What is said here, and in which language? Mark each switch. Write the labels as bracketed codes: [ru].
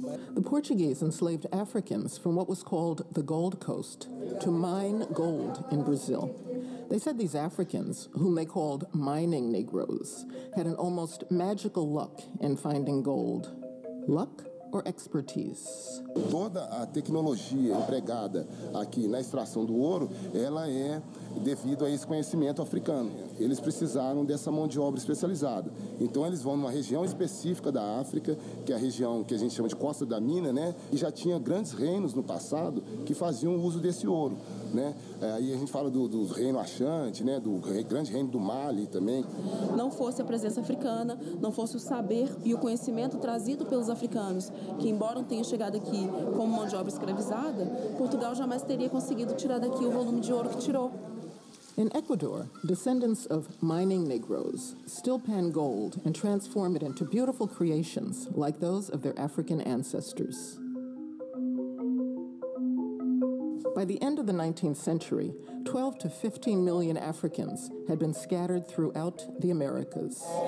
[en] The Portuguese enslaved Africans from what was called the Gold Coast to mine gold in Brazil. They said these Africans, whom they called mining Negroes, had an almost magical luck in finding gold. Luck or expertise? [pt] Toda a tecnologia empregada aqui na extração do ouro, ela é devido a esse conhecimento africano. Eles precisaram dessa mão de obra especializada. Então eles vão numa região específica da África, que é a região que a gente chama de Costa da Mina, né? E já tinha grandes reinos no passado que faziam uso desse ouro, né? Aí a gente fala do reino Axante, né? Do grande reino do Mali também. Não fosse a presença africana, não fosse o saber e o conhecimento trazido pelos africanos, que embora tenham chegado aqui como mão de obra escravizada, Portugal jamais teria conseguido tirar daqui o volume de ouro que tirou. [en] In Ecuador, descendants of mining Negroes still pan gold and transform it into beautiful creations like those of their African ancestors. By the end of the 19th century, 12 to 15 million Africans had been scattered throughout the Americas.